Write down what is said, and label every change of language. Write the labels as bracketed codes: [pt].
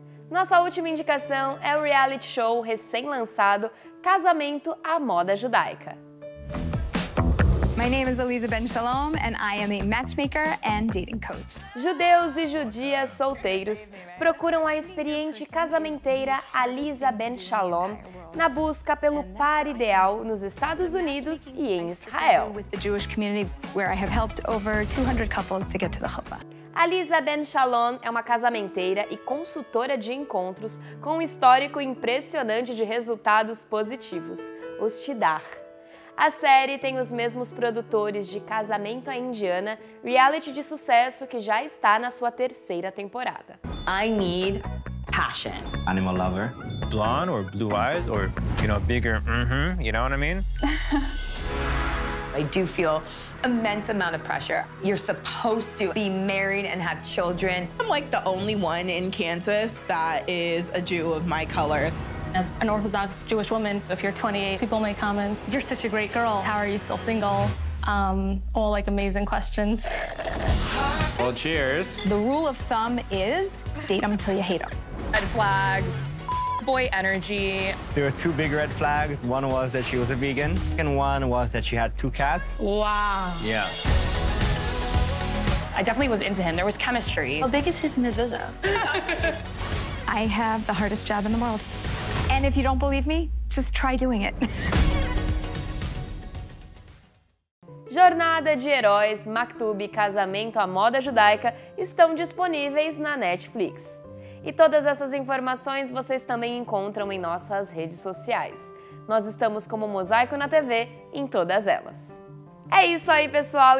[pt] Nossa última indicação é o reality show recém-lançado Casamento à Moda Judaica. [en] My name is Eliza Ben Shalom and I am a matchmaker and dating coach. [pt] Judeus e judias solteiros procuram a experiente casamenteira Eliza Ben Shalom na busca pelo par ideal nos Estados Unidos e em Israel. [en] With the Jewish community where I have helped over 200 couples to get to the chuppah. [pt] Eliza Ben Shalom é uma casamenteira e consultora de encontros com um histórico impressionante de resultados positivos, os Tidar. A série tem os mesmos produtores de Casamento à Indiana, reality de sucesso que já está na sua terceira temporada. [en] I need passion. Animal lover. Blonde or blue eyes or, you know, bigger, mm-hmm, you know what I mean? I do feel immense amount of pressure. You're supposed to be married and have children. I'm like the only one in Kansas that is a Jew of my color. As an Orthodox Jewish woman, if you're 28, people make comments. You're such a great girl. How are you still single? All like amazing questions. Well, cheers. The rule of thumb is date them until you hate them. Red flags, boy energy. There were two big red flags. One was that she was a vegan, and one was that she had two cats. Wow. Yeah. I definitely was into him. There was chemistry. How big is his mezuzah? I have the hardest job in the world. And if you don't believe me, just try doing it. [pt] Jornada de Heróis, Maktub e Casamento à Moda Judaica estão disponíveis na Netflix. E todas essas informações vocês também encontram em nossas redes sociais. Nós estamos como Mosaico na TV em todas elas. É isso aí, pessoal.